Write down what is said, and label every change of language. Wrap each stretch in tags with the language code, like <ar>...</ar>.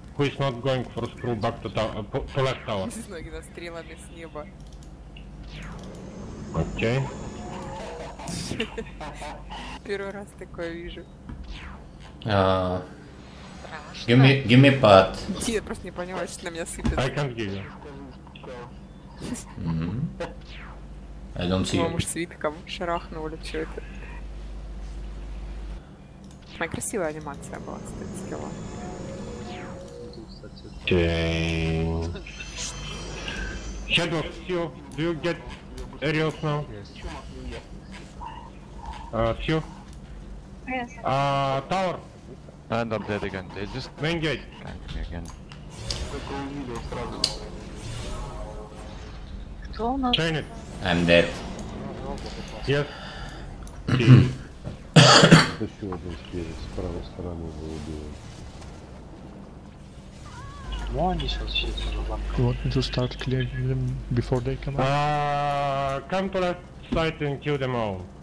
<en>Who is not going for screw back to tower? To left tower.</en> <ru>С ноги за стрелами с неба.</ru> <en>Okay.</en> <ru>Первый раз такое вижу.</ru> <en>Give me path.</en> <ru>Я просто не поняла, что на меня сыпется.</ru> <en>I can't give you. I don't see.</en> <ru>Может, свитком шарахнули что это. Моя красивая анимация была, кстати, скилла.</ru> <en>Okay. Shadow, Sio, do you get aerials now? Yes. Sio? Yes. Tower? And I'm dead again. They just... Main gate. Thank me again. Chain it. I'm dead. Yes.</en> <ru>Еще один спереди, с правой стороны его убили. Ну они сейчас все забанкали.</ru> <en>Want me to start clearing them before they come out? Come to left side and kill them all.</en>